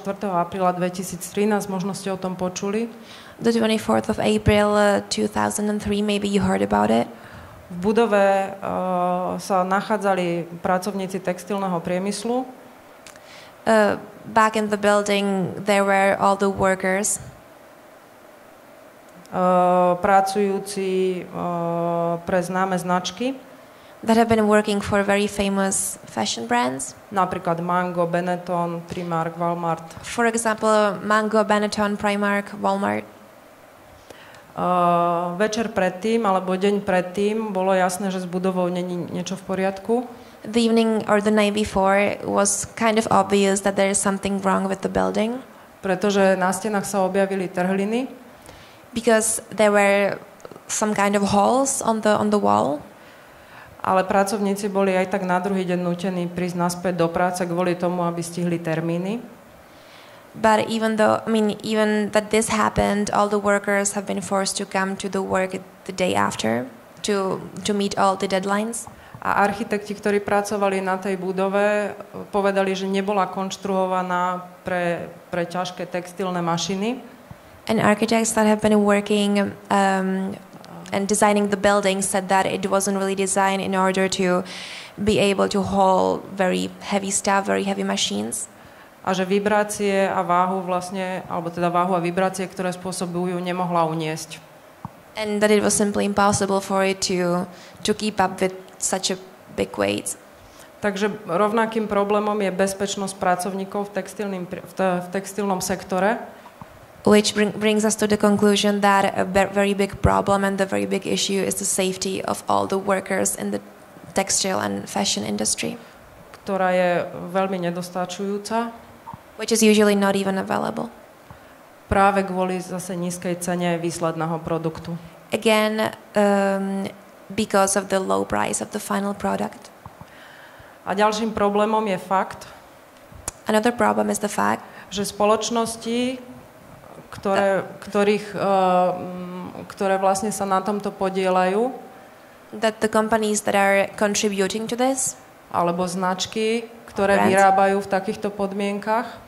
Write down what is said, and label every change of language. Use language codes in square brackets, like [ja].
[sk] apríla 2013, možno ste o tom počuli. [en] The 24th of April 2003, maybe you heard about it. [sk] V budove sa nachádzali pracovníci textilného priemyslu. [en] Back in the building there were all the workers. [sk] Pracujúci pre známe značky. [en] That have been working for very famous fashion brands. [sk] Napríklad Mango, Benetton, Primark, Walmart. [en] For example, Mango, Benetton, Primark, Walmart. [sk] Večer predtým, alebo deň predtým, bolo jasné, že s budovou není niečo v poriadku. [en] The evening or the night before was kind of obvious that there is something wrong with the building. [sk] Pretože na stenách sa objavili trhliny. [en] Because there were some kind of holes on the wall. [sk] Ale pracovníci boli aj tak na druhý deň nútení prísť naspäť do práce kvôli tomu, aby stihli termíny. [en] But even though, I mean, even that this happened, all the workers have been forced to come to the work the day after to meet all the deadlines. [sk] A architekti, ktorí pracovali na tej budove, povedali, že nebola konštruovaná pre ťažké textilné mašiny. [en] And architects that have been working and designing the building said that it wasn't really designed in order to be able to haul very heavy stuff, very heavy machines. [sk] A že vibrácie a váhu vlastne, alebo teda váhu a vibrácie, ktoré spôsobujú, nemohla uniesť. [en] And that it was simply impossible for it to keep up with such a big weight. [sk] Takže rovnakým problémom je bezpečnosť pracovníkov v textilnom sektore. [en] which brings us to the conclusion that a very big problem and the very big issue is the safety of all the workers in the textile and fashion industry, [sk] ktorá je veľmi nedostačujúca, [en] which is usually not even available, [sk] práve kvôli zase nízkej cene výsledného produktu. [en] Again, because of the low price of the final product. [sk] A ďalším problémom je fakt, [en] another problem is the fact, [sk] že spoločnosti, ktoré vlastne sa na tomto podieľajú, [en] that the companies that are contributing to this, [sk] alebo značky, ktoré brands, vyrábajú v takýchto podmienkach,